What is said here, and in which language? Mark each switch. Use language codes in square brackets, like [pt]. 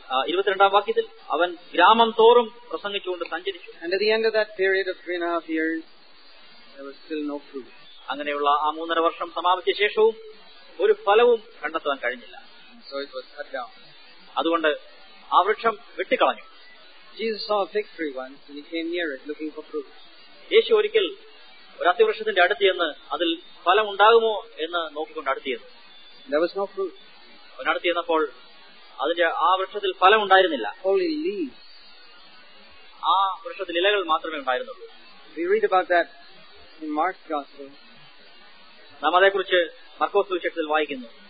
[ml] ഇരുപത്തിരണ്ടാം വാക്യത്തിൽ അവൻ ഗ്രാമം തോറും പ്രസംഗിച്ചുകൊണ്ട് സഞ്ചരിച്ചു. [en] And at the end of that period of 3.5 years, there was still no fruit. [ml] അങ്ങനെയുള്ള ആ മൂന്നര വർഷം സമാപിച്ച ശേഷവും ഒരു ഫലവും കണ്ടെത്താൻ കഴിഞ്ഞില്ല. [en] So it was cut down. [ml] അതുകൊണ്ട് ആ വൃക്ഷം വെട്ടിക്കളഞ്ഞു. [en] Jesus saw a fig tree once and he came near it looking for fruit. [ml] യേശു ഒരിക്കൽ ഒരു അത്തിവൃക്ഷത്തിന്റെ അടുത്ത് ചെന്ന് അതിൽ ഫലം ഉണ്ടാകുമോ എന്ന് നോക്കിക്കൊണ്ട് അടുത്ത് ചെന്നു. [en] There was no fruit. [ml] അവൻ അടുത്ത് ചെന്നപ്പോൾ അതിന്റെ ആ വൃക്ഷത്തിൽ ഫലം ഉണ്ടായിരുന്നില്ല. [en] Only leaves. [ml] ആ വൃക്ഷത്തിൽ ഇലകൾ മാത്രമേ ഉണ്ടായിരുന്നുള്ളൂ. [en] We read about that in Mark's gospel. [ml] നാം അതേക്കുറിച്ച് മർക്കോസ് സുവിശേഷത്തിൽ വായിക്കുന്നു.